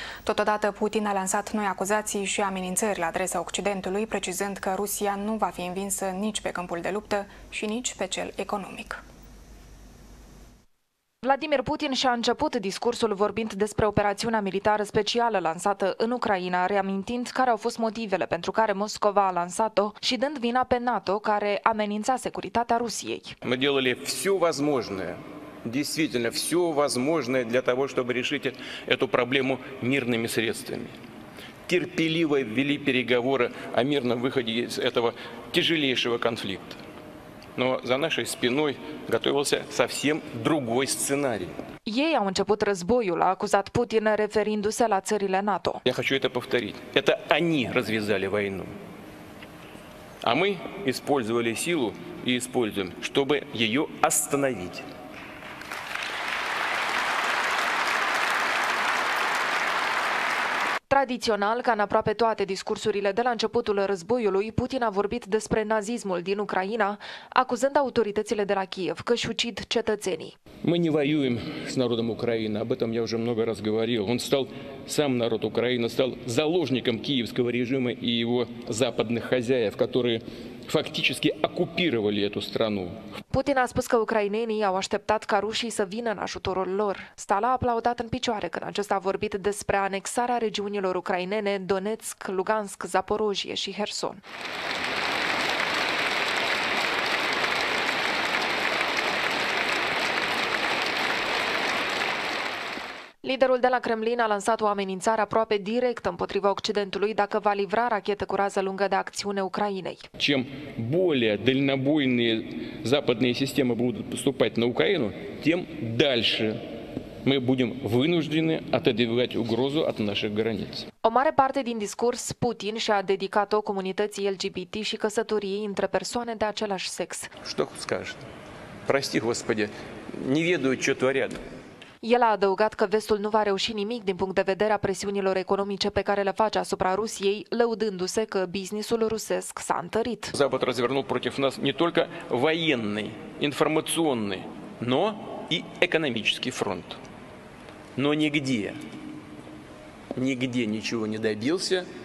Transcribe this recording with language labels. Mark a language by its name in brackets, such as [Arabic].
[Romanian] Totodată, Putin a lansat noi acuzații și amenințări la adresa Occidentului, precizând că Rusia nu va fi învinsă nici pe câmpul de luptă și nici pe cel economic. Vladimir Putin și-a început discursul vorbind despre operațiunea militară specială lansată în Ucraina, reamintind care au fost motivele pentru care Moscova a lansat-o și dând vina pe NATO, care amenința securitatea Rusiei. [Russian] Мы делали всё возможное, действительно всё возможное для того, чтобы решить эту проблему мирными средствами. Терпеливо вели переговоры о мирном выходе из этого тяжелейшего конфликта. Но за нашей спиной готовился совсем другой сценарий. [Romanian] Ei au început războiul, a acuzat Putin, referindu-se la țările NATO. [Russian] Я хочу это повторить. Это они развязали войну. А мы использовали силу и используем, чтобы ее остановить. [Romanian] Tradițional, ca în aproape toate discursurile de la începutul războiului, Putin a vorbit despre nazismul din Ucraina, acuzând autoritățile de la Kiev că își ucid cetățenii. [Russian] Мы не воюем с народом Украины, об этом я уже много раз говорил. Он стал сам народ Украины стал заложником киевского режима и его западных хозяев, которые фактически оккупировали эту страну. [Romanian] Putin a spus că ucrainenii au așteptat ca rușii să vină în ajutorul lor. Stala a aplaudat în picioare când acesta a vorbit despre anexarea regiunilor ucrainene Donetsk, Lugansk, Zaporojie și Herson. Liderul de la Kremlin a lansat o amenințare aproape directă împotriva Occidentului dacă va livra rachete cu rază lungă de acțiune Ucrainei. [Russian] Чем более дальнобойные западные системы будут поступать на Украину, тем дальше мы будем вынуждены отодвигать угрозу от наших границ. [Romanian] O mare parte din discurs Putin și-a dedicat-o comunității LGBT și căsătoriei între persoane de același sex. [Russian] Что скажешь? Прости, Господи, не ведаю, что творят. [Romanian] El a adăugat că Vestul nu va reuși nimic din punct de vedere a presiunilor economice pe care le face asupra Rusiei, lăudându-se că businessul rusesc s-a întărit. [Russian] Запад развернул против нас не только военный, информационный, но и экономический фронт. Но нигде ничего не добился,